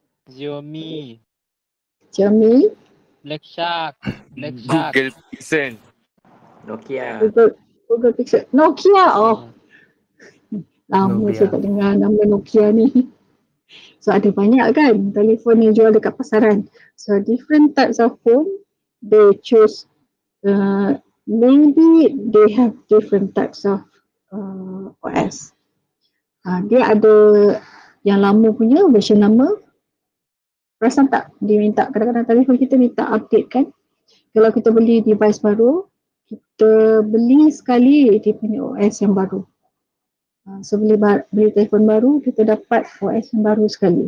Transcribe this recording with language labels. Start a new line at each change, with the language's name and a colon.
Malay: Xiaomi? Black Shark? Google Pixel? Nokia? Google Pixel. Nokia? Lama Nokia. Saya tak dengar nama Nokia ni. So ada banyak kan telefon yang jual dekat pasaran.
English: So different types of phone, they choose maybe they have different types of OS.
Malay: Dia ada yang lama punya, version lama. Perasan tak dia minta, kadang-kadang telefon kita minta update kan. Kalau kita beli device baru, kita beli sekali dia punya OS yang baru. So beli telefon baru, kita dapat OS yang baru sekali.